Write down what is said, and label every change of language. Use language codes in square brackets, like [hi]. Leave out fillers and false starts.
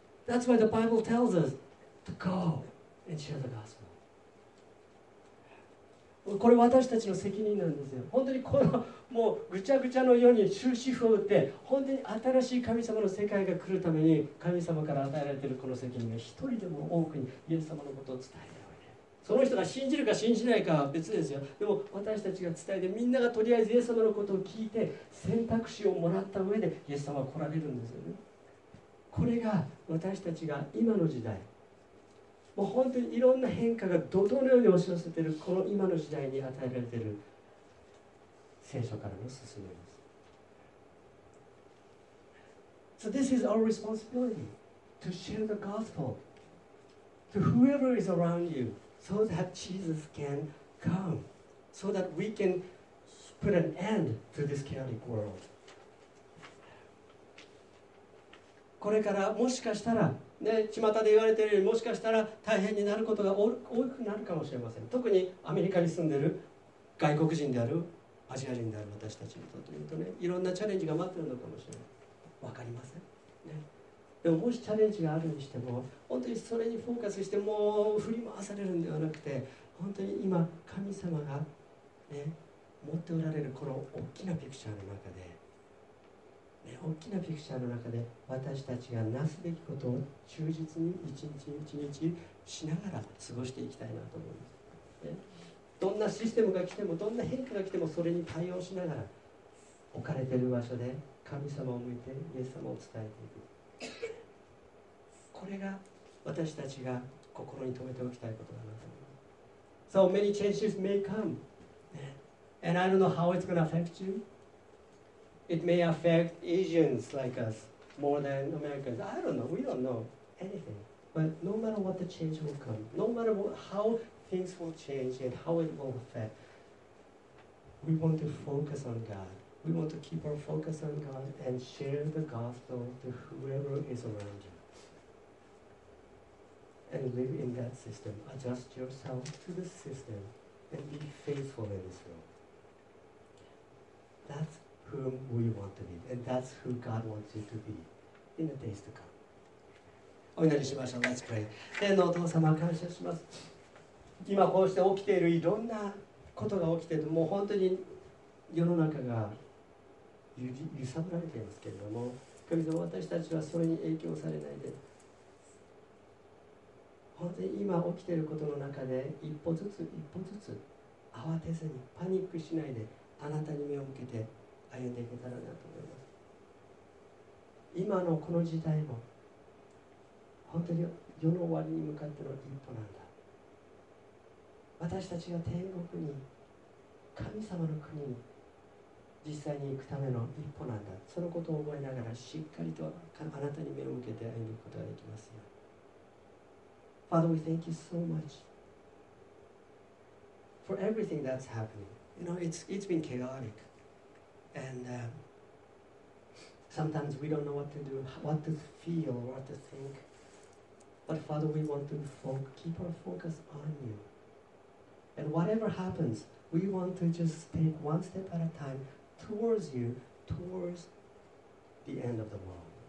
[en] That's why the Bible tells us to go and share the gospel. [ja] これ私たちの責任なんですよ。本当にこのもうぐちゃぐちゃの世に終止符を打って本当に新しい神様の世界が来るために神様から与えられているこの責任が一人でも多くにイエス様のことを伝えておいて、その人が信じるか信じないかは別ですよ。でも私たちが伝えて、みんながとりあえずイエス様のことを聞いて選択肢をもらった上でイエス様は来られるんですよね。これが私たちが今の時代、もう本当にいろんな変化が怒涛のように押し寄せているこの今の時代に与えられている聖書からの勧めです。 [en] So this is our responsibility to share the gospel to whoever is around you so that Jesus can come, so that we can put an end to this chaotic world. [ja] これからもしかしたらね、巷で言われているようにもしかしたら大変になることが多くなるかもしれません。特にアメリカに住んでいる外国人であるアジア人である私たちにとって言うとね、いろんなチャレンジが待っているのかもしれない。わかりません、ね、でももしチャレンジがあるにしても本当にそれにフォーカスしてもう振り回されるんではなくて、本当に今神様が、ね、持っておられるこの大きなピクチャーの中で、大きなピクチャーの中で私たちがなすべきことを忠実に一日一日しながら過ごしていきたいなと思います。どんなシステムが来ても、どんな変化が来てもそれに対応しながら置かれている場所で神様を向いてイエス様を伝えていく、これが私たちが心に留めておきたいことだなと思います。 [en] So many changes may come and I don't know how it's going to affect youIt may affect Asians like us more than Americans. I don't know. We don't know anything. But no matter what the change will come, no matter how things will change and how it will affect, we want to focus on God. We want to keep our focus on God and share the gospel to whoever is around you. And live in that system. Adjust yourself to the system and be faithful in this world. That's whom we want to be, and that's who God wants you to be in the days to come. [ja] お祈りしましょう。 [en] Let's pray. [ja] 天のお父様、感謝します。今こうして起きているいろんなことが起きている、もう本当に世の中が揺さぶられていますけれども、神様、私たちはそれに影響されないで、本当に今起きていることの中で一歩ずつ一歩ずつ慌てずにパニックしないであなたに目を向けて歩んでいけたらなと思います。今のこの時代も本当に世の終わりに向かっての一歩なんだ。私たちが天国に、神様の国に実際に行くための一歩なんだ。そのことを覚えながらしっかりとあなたに目を向けて歩むことができますよ。 [en] Father, we thank you so much for everything that's happening. You know, it's been chaoticAnd sometimes we don't know what to do, what to feel, what to think. But Father, we want to keep our focus on you. And whatever happens, we want to just take one step at a time towards you, towards the end of the world.